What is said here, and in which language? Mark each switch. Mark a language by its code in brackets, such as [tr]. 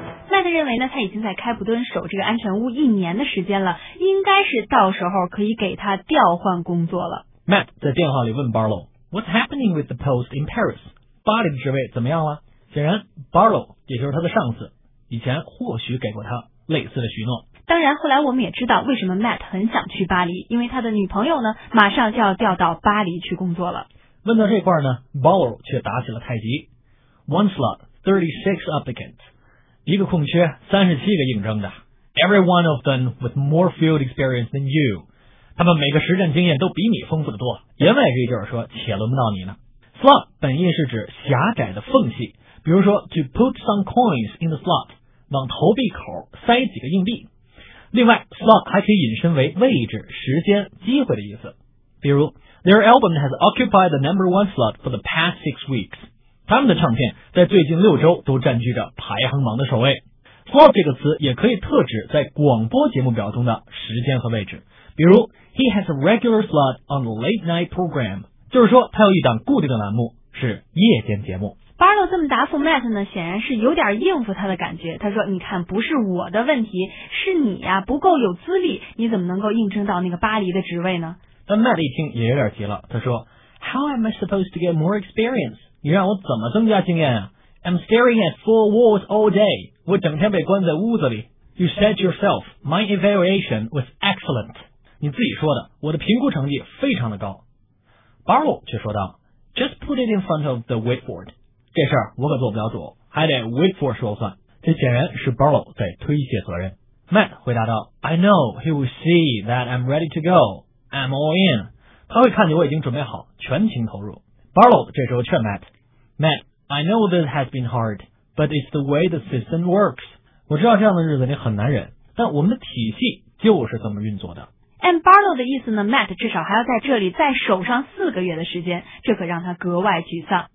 [zh] 麦特认为呢，他已经在开普敦守这个安全屋一年的时间了，应该是到时候可以给他调换工作了。 [en] Matt [zh] 在电话里问 [en] Barlow, What's happening with the post in Paris? [zh] 巴黎的职位怎么样了？显然 Barlow 也就是他的上司。以前或许给过他类似的许诺。当然后来我们也知道为什么 Matt 很想去巴黎，因为他的女朋友呢马上就要调到巴黎去工作了。问到这块呢， Barlow 却打起了太极。 [en] One slot, 36 applicants. [zh] 一个空缺，37个应征的。 [en] Every one of them with more field experience than you. [zh] 他们每个实战经验都比你丰富的多，言外之意就是说且轮不到你呢。 Slot 本意是指狭窄的缝隙，比如说 [en] to put some coins in the slot, [zh] 往投币口塞几个硬币。另外 slot 还可以引申为位置、时间、机会的意思。比如 [en] their album has occupied the number one slot for the past 6 weeks. [zh] 他们的唱片在最近6周都占据着排行榜的首位。 slot 这个词也可以特指在广播节目表中的时间和位置。比如 [en] he has a regular slot on the late night program, [zh] 就是说他有一档固定的栏目是夜间节目。 Barlow 这么答复 Matt 呢，显然是有点应付他的感觉。他说你看不是我的问题，是你呀、不够有资历，你怎么能够应征到那个巴黎的职位呢？但 [en] Matt [zh] 一听也有点急了，他说 [en] How am I supposed to get more experience? [zh] 你让我怎么增加经验啊？ [en] I'm staring at 4 walls all day. [zh] 我整天被关在屋子里。 [en] You said yourself, my evaluation was excellent. [zh] 你自己说的，我的评估成绩非常的高。 [en] Barlow [zh] 却说道 [en] Just put it in front of the whiteboard. [zh] 这事儿我可做不了主，还得 Whitford 说算。这显然是 Barlow 在推卸责任。 [en] Matt 回答道 I know he will see that I'm ready to go. I'm all in. [zh] 他会看见我已经准备好，全情投入。 [en] Barlow [zh] 这时候劝 [en] Matt Matt, I know this has been hard, but it's the way the system works. [zh] 我知道这样的日子你很难忍，但我们的体系就是这么运作的。 And Barlow 的意思呢 Matt 至少还要在这里再守上四个月的时间，这可让他格外沮丧。